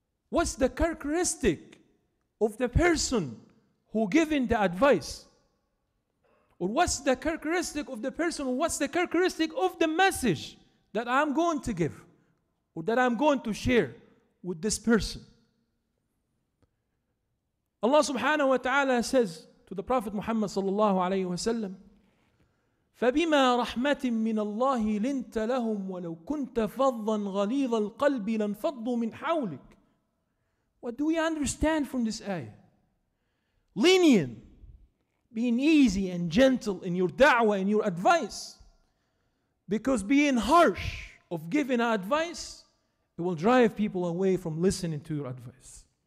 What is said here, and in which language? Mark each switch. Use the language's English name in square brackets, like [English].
[English] What's the characteristic of the person who given the advice? Or what's the characteristic of the person, or what's the characteristic of the message that I'm going to give, or that I'm going to share with this person? Allah subhanahu wa ta'ala says to the Prophet Muhammad sallallahu alayhi wa sallam, [Arabic] فَبِمَا رَحْمَةٍ مِّنَ اللَّهِ لِنْتَ لَهُمْ وَلَوْ كُنْتَ فَضًّا غَلِيظَ الْقَلْبِ لَنْفَضُّوا مِنْ حَوْلِكَ. [English] What do we understand from this ayah? Lenient, being easy and gentle in your da'wah, in your advice. Because being harsh of giving advice, it will drive people away from listening to your advice.